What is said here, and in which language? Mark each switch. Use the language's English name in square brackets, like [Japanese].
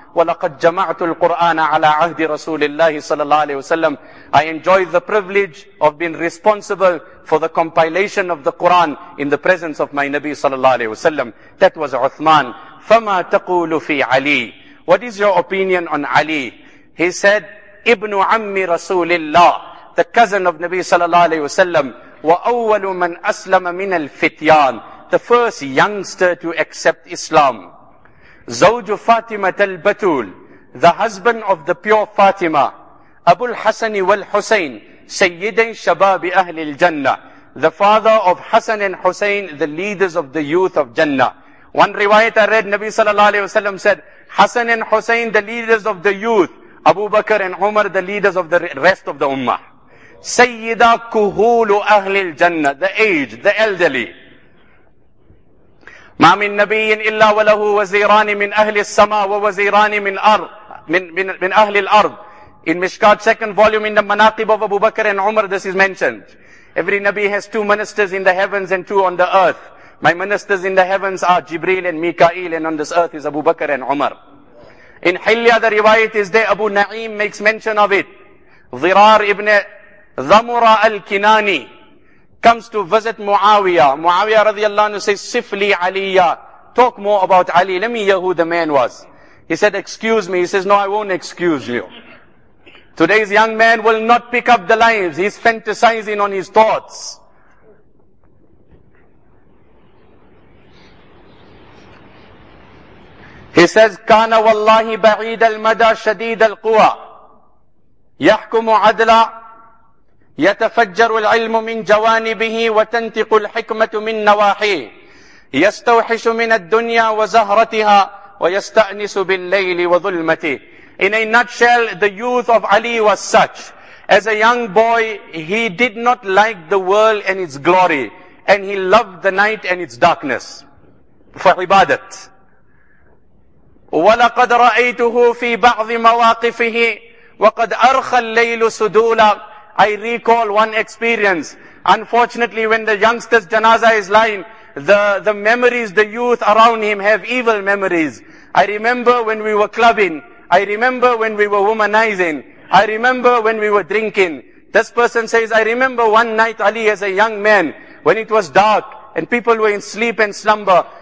[Arabic] وَلَقَدْ جَمَعْتُ الْقُرْآنَ عَلَىٰ عَهْدِ رَسُولِ اللَّهِ صَلَى اللَّهُ عَلَيْهِ وَسَلَّمْ. [English] I enjoyed the privilege of being responsible for the compilation of the Qur'an in the presence of my Nabi صلى الله عليه وسلم. That was Uthman. [Arabic] فَمَا تَقُولُ فِي عَلِي. [English] What is your opinion on Ali? [Arabic] He said, إِبْنُ عَمِّ رَسُولِ اللَّهِ. [English] The cousin of Nabi صلى الله عليه وسلم. [Arabic] وَأَوَّلُ مَنْ أَسْلَمَ مِنَ الْفِتْيَانِ. [English] The first youngster to accept Islam. [Arabic] زوج فاطمة البتول, [English] the husband of the pure Fatima, [Arabic] أبو الحسن والحسين, سيد شباب أهل الجنة, [English] the father of Hassan and Hussein, the leaders of the youth of Jannah. One riwayat I read, Nabi صلى الله عليه وسلم said, Hassan and Hussein, the leaders of the youth, Abu Bakr and Umar, the leaders of the rest of the ummah. [Arabic] سيدا كهول أهل الجنة, [English] the aged, the elderly. [Arabic] ما من نبي إلا وله وزيران من أهل السماء ووزيران من أرض من أهل الأرض. [English] In Mishkat, second volume, in the Manaqib of Abu Bakr and Umar, this is mentioned. Every Nabi has two ministers in the heavens and two on the earth. My ministers in the heavens are Jibreel and Mikael, and on this earth is Abu Bakr and Umar. In Hilya, the riwayat is there, Abu Na'im makes mention of it. Zirar ibn Zamura al-Kinani comes to visit Muawiyah. Muawiyah radiallahu anhu says, [Arabic] Sifli Aliya. [English] Talk more about Ali. Let me hear who the man was. He said, excuse me. He says, no, I won't excuse you. Today's young man will not pick up the lines. He's fantasizing on his thoughts. [Arabic] He says, Kana wallahi ba'id al-mada shadid al-quwa. Yahkumu adla. يتفجر العلم من جوانبه وتنتق الحكمة من نواحيه يستوحش من الدنيا وزهرتها ويستأنس بالليل وظلمته. [English] In a nutshell, the youth of Ali was such. As a young boy, he did not like the world and its glory, and he loved the night and its darkness for ibadat. [Arabic] ولقد رأيته في بعض مواقفه وقد أرخى الليل سدولا. [English] I recall one experience. Unfortunately, when the youngster's janaza is lying, the memories, the youth around him have evil memories. I remember when we were clubbing. I remember when we were womanizing. I remember when we were drinking. This person says, I remember one night Ali as a young man, when it was dark and people were in sleep and slumber.